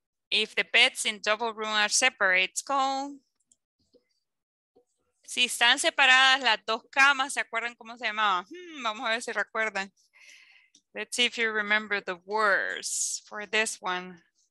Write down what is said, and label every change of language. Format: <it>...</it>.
<en>If the beds in double room are separate, it's called.</en> <es>Si están separadas las dos camas, ¿se acuerdan cómo se llamaba? Vamos a ver si recuerdan.</es> <en>Let's see if you remember the words for this one.</en>